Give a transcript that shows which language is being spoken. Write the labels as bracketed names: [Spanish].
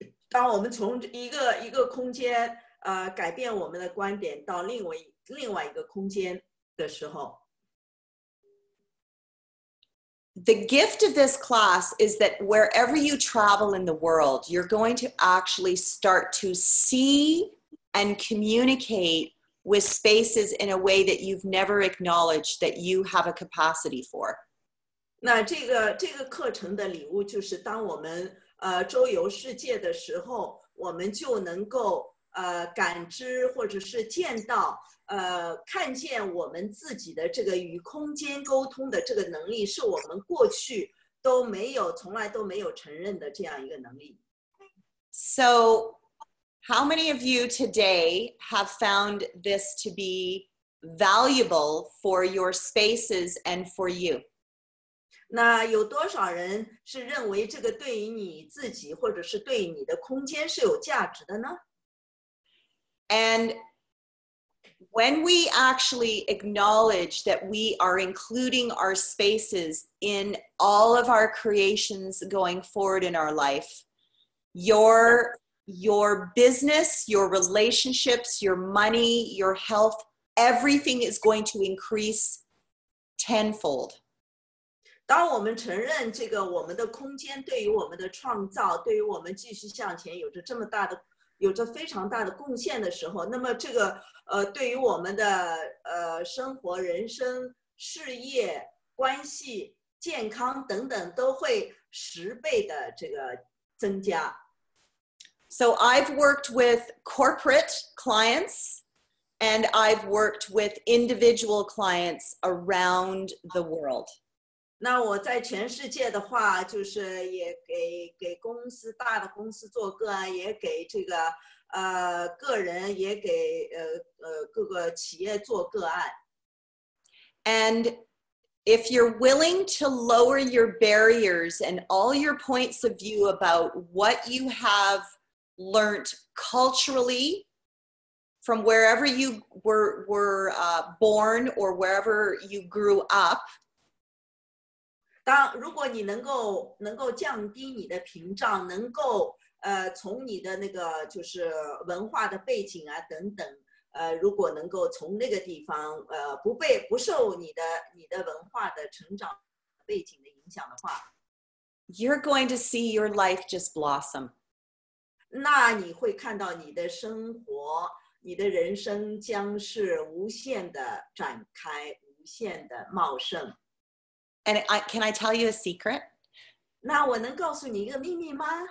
[Chinese] 当我们从一个空间改变我们的观点到另外一个空间的时候。 [English] The gift of this class is that wherever you travel in the world, you're going to actually start to see and communicate with spaces in a way that you've never acknowledged that you have a capacity for. [Chinese] 那这个课程的礼物就是当我们周游世界的时候，我们就能够感知或者是见到看见我们自己的这个与空间沟通的这个能力，是我们过去都没有，从来都没有承认的这样一个能力。 [English] So, how many of you today have found this to be valuable for your spaces and for you? [Chinese] 那有多少人是认为这个对于你自己或者是对你的空间是有价值的呢？ [English] And when we actually acknowledge that we are including our spaces in all of our creations going forward in our life, your business, your relationships, your money, your health, everything is going to increase tenfold. [Chinese] 当我们承认这个我们的空间对于我们的创造，对于我们继续向前有着这么大的有着非常大的贡献的时候，那么这个对于我们的生活、人生、事业、关系、健康等等，都会十倍的这个增加。 [English] So I've worked with corporate clients, and I've worked with individual clients around the world. [Chinese] 那我在全世界的话，就是也给公司大的公司做个案，也给这个个人，也给各个企业做个案。 [English] And if you're willing to lower your barriers and all your points of view about what you have learnt culturally from wherever you were born or wherever you grew up. [Chinese] 当如果你能够降低你的屏障，能够从你的那个就是文化的背景啊等等，如果能够从那个地方不受你的文化的成长背景的影响的话， [English] You're going to see your life just blossom. [Chinese] 那你会看到你的生活，你的人生将是无限的展开，无限的茂盛。 [English] And can I tell you a secret? [Chinese] 那我能告诉你一个秘密吗？